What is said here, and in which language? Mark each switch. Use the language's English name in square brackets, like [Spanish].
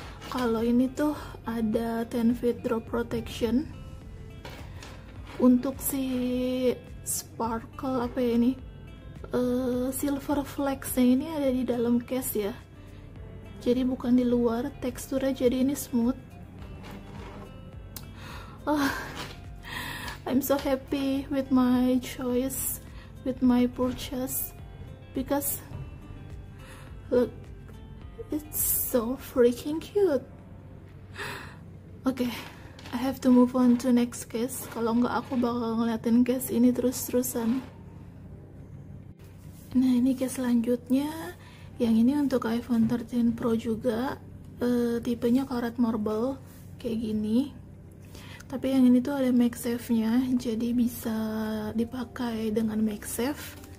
[Indonesian] Kalau ini tuh ada 10 feet drop protection. Untuk si sparkle apa ya ini, silver flecks-nya ini ada di dalam case ya. Jadi bukan di luar, teksturnya jadi ini smooth. [English] I'm so happy with my choice, with my purchase, because look, it's so freaking cute. Okay, I have to move on to next case. [Indonesian] Kalau enggak aku bakal ngeliatin case ini terus-terusan. Nah, ini case selanjutnya. Yang ini untuk iPhone 13 Pro juga. Tipenya karat marble kayak gini. Tapi yang ini tuh ada MagSafe-nya, jadi bisa dipakai dengan MagSafe.